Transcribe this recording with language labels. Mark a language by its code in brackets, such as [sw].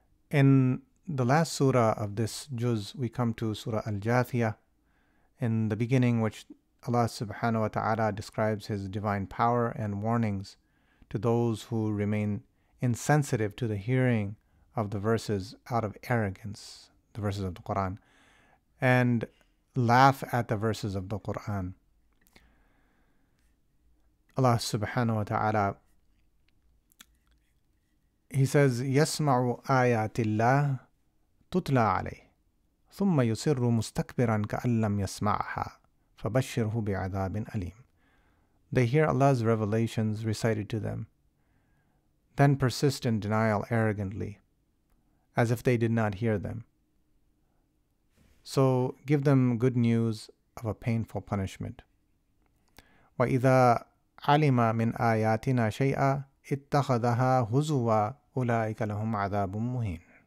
[en] In the last surah of this juz, we come to Surah Al-Jathiyah, in the beginning which Allah subhanahu wa ta'ala describes His divine power and warnings to those who remain insensitive to the hearing of the verses out of arrogance, the verses of the Qur'an, and laugh at the verses of the Qur'an. Allah subhanahu wa ta'ala, He says, [ar] يَسْمَعُ آيَاتِ اللَّهِ تُطْلَى عَلَيْهِ ثُمَّ يُصِرُّ مُسْتَكْبِرًا كَأَنْ لَمْ يَسْمَعْهَا فَبَشِّرْهُ بِعَذَابٍ أَلِيمٍ. [en] They hear Allah's revelations recited to them, then persist in denial arrogantly, as if they did not hear them. So give them good news of a painful punishment. [ar] وَإِذَا عَلِمَ مِنْ آيَاتِنَا شَيْئًا اتَّخَذَهَا هُزُوًا أُولَٰئِكَ لَهُمْ عَذَابٌ مُهِينٌ.